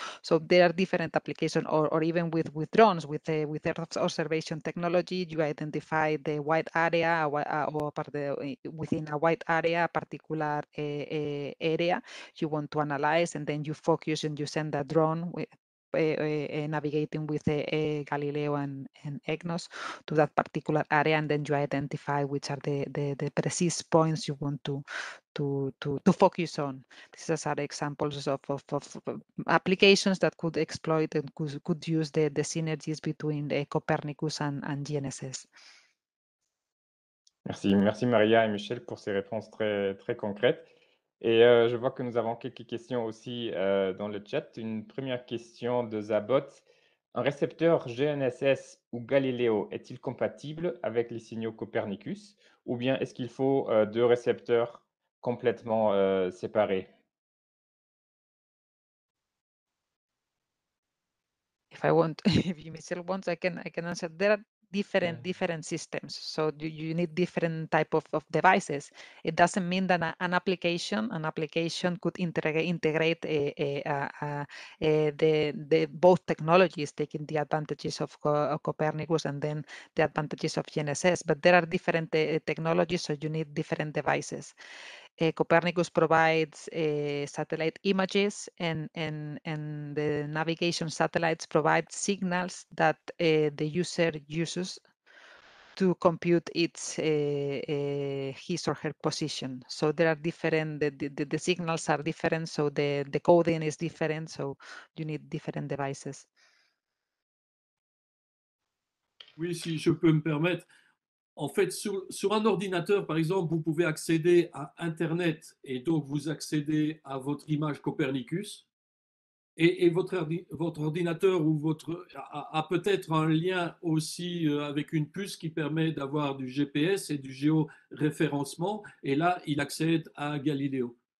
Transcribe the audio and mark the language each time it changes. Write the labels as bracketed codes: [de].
[en] So there are different applications, or even with drones, with Earth observation technology, you identify the wide area within a wide area, a particular area you want to analyze, and then you focus and you send a drone navigating with Galileo and EGNOS to that particular area, and then you identify which are the precise points you want to focus on. These are examples of applications that could exploit and could use the synergies between Copernicus and GNSS. [fr] Merci Maria et Michel pour ces réponses très très concrètes. Et je vois que nous avons quelques questions aussi dans le chat. Une première question de Zabot. Un récepteur GNSS ou Galileo est-il compatible avec les signaux Copernicus ou bien est-ce qu'il faut deux récepteurs complètement séparés? [en] If I want, if you still want, I can answer. There are different systems, so you need different type of devices. It doesn't mean that an application could integrate the both technologies, taking the advantages of Copernicus and then the advantages of GNSS. But there are different technologies, so you need different devices. Copernicus provides satellite images and the navigation satellites provide signals that the user uses to compute its his or her position. So there are different, the signals are different, so the coding is different, so you need different devices. [fr] Oui, si je peux me permettre. En fait, sur un ordinateur, par exemple, vous pouvez accéder à Internet et donc vous accédez à votre image Copernicus et votre ordinateur ou votre a peut-être un lien aussi avec une puce qui permet d'avoir du GPS et du géoréférencement et là, il accède à Galileo.